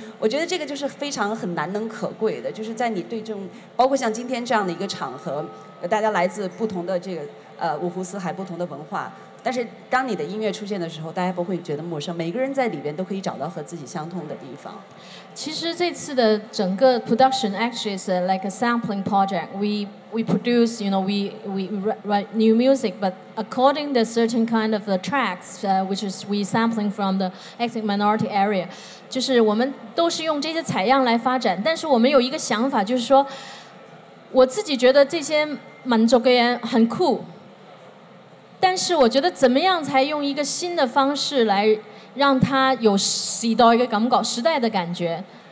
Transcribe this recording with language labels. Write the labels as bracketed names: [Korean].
[Chinese] 我觉得这个就是非常很难能可贵的，就是在你对这种包括像今天这样的一个场合，大家来自不同的这个五湖四海不同的文化，但是当你的音乐出现的时候大家不会觉得陌生，每个人在里边都可以找到和自己相同的地方。其实这次的整个 [English] production actually is like a sampling project. We produce, you know, we write new music, but according to certain kind of the tracks, which is we sampling from the ethnic minority area. [Chinese] 就是我们都是用这些采样来发展，但是我们有一个想法，就是说我自己觉得这些民族的人很酷，但是我觉得怎么样才用一个新的方式来让他有时代的感觉，时代的感觉。